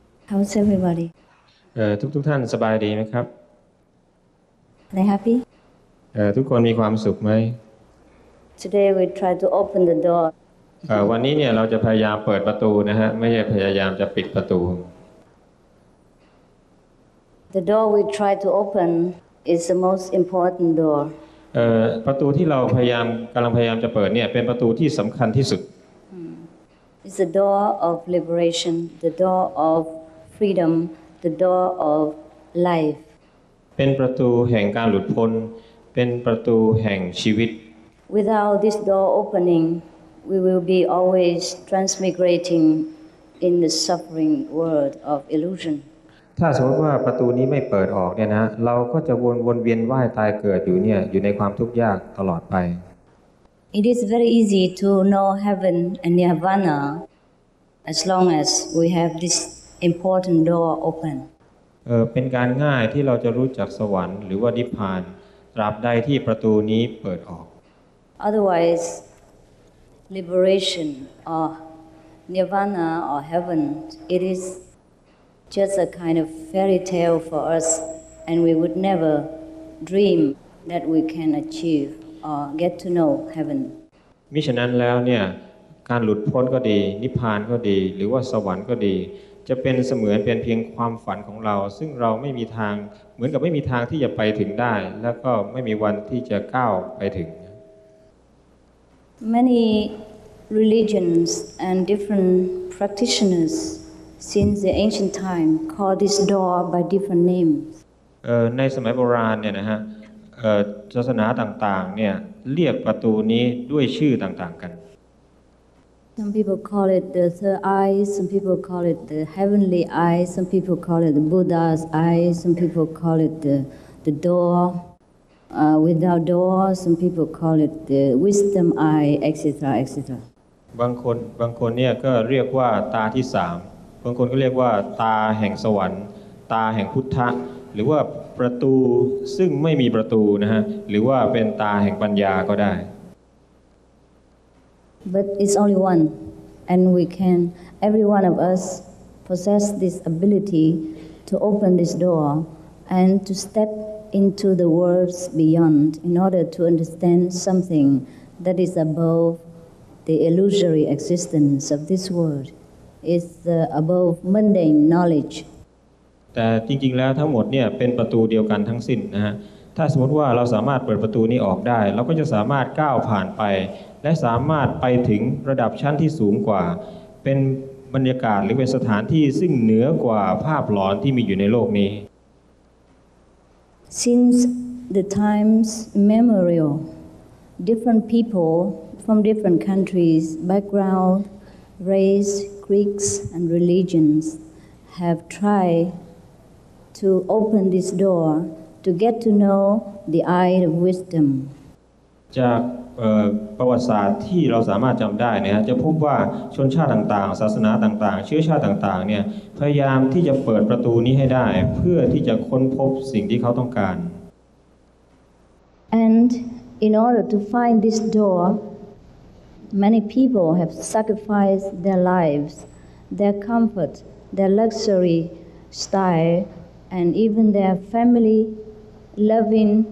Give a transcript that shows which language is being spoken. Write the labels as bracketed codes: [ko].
[en] How's everybody? [th] ทุกท่านสบายดีไหมครับ [en] Are they happy? [th] ทุกคนมีความสุขไหม [en] Today we try to open the door. [th] วันนี้เนี่ยเราจะพยายามเปิดประตูนะฮะไม่ใช่พยายามจะปิดประตู [en] The door we try to open is the most important door. [th] ประตูที่เราพยายามจะเปิดเนี่ยเป็นประตูที่สำคัญที่สุด [en] It's the door of liberation, the door of freedom, the door of life. [th] เป็นประตูแห่งการหลุดพ้นเป็นประตูแห่งชีวิต [en] Without this door opening, we will be always transmigrating in the suffering world of illusion. [th] ถ้าสมมติว่าประตูนี้ไม่เปิดออกเนี่ยนะเราก็จะวนเวียนว่ายตายเกิดอยู่เนี่ยอยู่ในความทุกข์ยากตลอดไป [en] It is very easy to know heaven and nirvana as long as we have this important door open [th] เป็นการง่ายที่เราจะรู้จักสวรรค์หรือว่านิพพานตราบใดที่ประตูนี้เปิดออก [en] Otherwise liberation or nirvana or heaven it isjust a kind of fairy tale for us and we would never dream that we can achieve or get to know heaven [th] มิฉะนั้นแล้วเนี่ยการหลุดพ้นก็ดีนิพพานก็ดีหรือว่าสวรรค์ก็ดีจะเป็นเสมือนเป็นเพียงความฝันของเราซึ่งเราไม่มีทางเหมือนกับไม่มีทางที่จะไปถึงได้แล้วก็ไม่มีวันที่จะก้าวไปถึง [en] Many religions and different practitionersSince the ancient time, call this door by different names. [th] ในสมัยโบราณเนี่ยนะฮะศาสนาต่างๆเนี่ยเรียกประตูนี้ด้วยชื่อต่างๆกัน [en] Some people call it the third eye. Some people call it the heavenly eye. Some people call it the Buddha's eye. Some people call it the door without door. Some people call it the wisdom eye, etc., etc. [th] บางคนเนี่ยก็เรียกว่าตาที่สามบางคนก็เรียกว่าตาแห่งสวรรค์ตาแห่งพุทธะหรือว่าประตูซึ่งไม่มีประตูนะฮะหรือว่าเป็นตาแห่งปัญญาก็ได้ [en] But it's only one and we can every one of us possess this ability to open this door and to step into the worlds beyond in order to understand something that is above the illusory existence of this worldIs above mundane knowledge. [th] แต่จริงๆแล้วทั้งหมดเนี่ยเป็นประตูเดียวกันทั้งสิ้นนะฮะถ้าสมมติว่าเราสามารถเปิดประตูนี้ออกได้เราก็จะสามารถก้าวผ่านไปและสามารถไปถึงระดับชั้นที่สูงกว่าเป็นบรรยากาศหรือเป็นสถานที่ซึ่งเหนือกว่าภาพหลอนที่มีอยู่ในโลกนี้ [en] Since the times immemorial, different people from different countries, background, race. Greeks and religions have tried to open this door to get to know the eye of wisdom. [th] จากประวัติศาสตร์ที่เราสามารถจำได้นะครับจะพบว่าชนชาติต่างๆศาสนาต่างๆเชื้อชาติต่างๆเนี่ยพยายามที่จะเปิดประตูนี้ให้ได้เพื่อที่จะค้นพบสิ่งที่เขาต้องการ [en] And in order to find this door many people have sacrificed their lives their comfort their luxury style and even their family loving